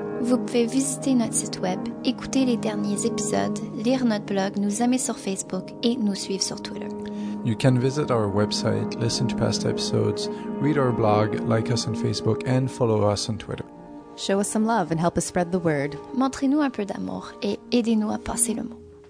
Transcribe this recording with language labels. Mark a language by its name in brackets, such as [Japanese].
[French] Vous pouvez visiter notre site web, écouter les derniers épisodes, lire notre blog, nous aimer sur Facebook, et nous suivre sur Twitter. [English] You can visit our website, listen to past episodes, read our blog, like us on Facebook, and follow us on Twitter. Show us some love and help us spread the word. [French] Montrez-nous un peu d'amour et aidez-nous à passer le mot.